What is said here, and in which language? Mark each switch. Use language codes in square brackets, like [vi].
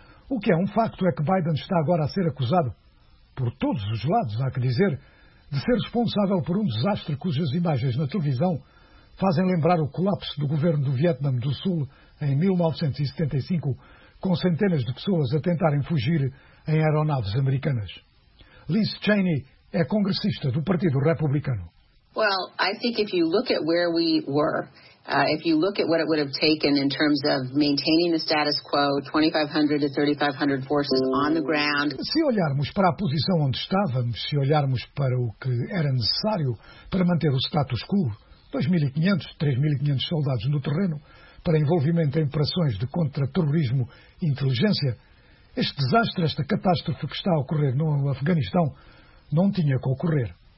[pt] O que é um facto é que Biden está agora a ser acusado, por todos os lados, há que dizer, de ser responsável por um desastre cujas imagens na televisão fazem lembrar o colapso do governo do Vietnã do Sul em 1975, com centenas de pessoas a tentarem fugir em aeronaves americanas. Liz Cheney é congressista do Partido Republicano. [en] Well, I think if you look at where we were, if you look at what it would have taken in terms of maintaining the status quo, 2,500 to 3,500 forces on the ground. [pt] Se olharmos para a posição onde estávamos, se olharmos para o que era necessário para manter o status quo, 2.500, 3.500 soldados no terreno, para envolvimento em operações de contra-terrorismo e inteligência, este desastre, esta catástrofe que está a ocorrer no Afeganistão, não tinha que ocorrer.